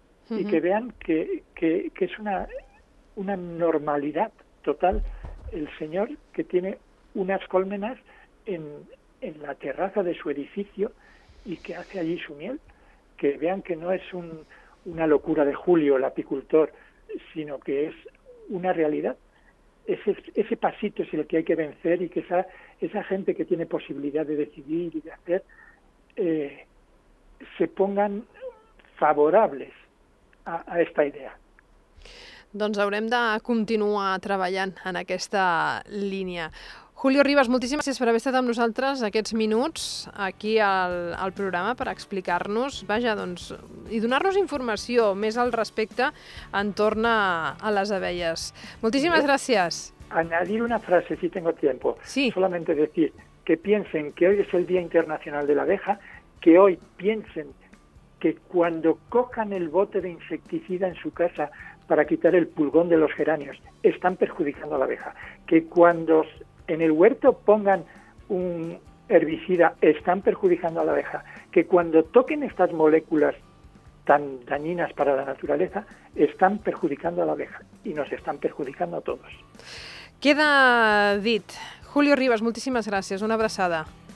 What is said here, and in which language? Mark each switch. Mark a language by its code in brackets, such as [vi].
[es] y que vean que es una normalidad total el señor que tiene unas colmenas en la terraza de su edificio y que hace allí su miel, que vean que no es una locura de Julio el apicultor, sino que es una realidad. Ese pasito es el que hay que vencer y que esa gente que tiene posibilidad de decidir y de hacer se pongan favorables a esta idea. [ca] Doncs haurem de continuar treballant en aquesta línia. Julio Ribas, moltíssimes gràcies per haver estat amb nosaltres aquests minuts aquí al programa per explicar-nos, vaja, doncs, i donar-nos informació més al respecte entorn a les abelles. Moltíssimes gràcies. [es] Añadir una frase, si tengo tiempo. Sí. Solamente decir que piensen que hoy es el Día Internacional de la Abeja, que hoy piensen que cuando cojan el bote de insecticida en su casa para quitar el pulgón de los geranios, están perjudicando a la abeja. Que cuando en el huerto pongan un herbicida, están perjudicando a la abeja. Que cuando toquen estas moléculas tan dañinas para la naturaleza, están perjudicando a la abeja y nos están perjudicando a todos. [ca] Queda dit. Julio Ribas, moltíssimes gràcies. Una abraçada.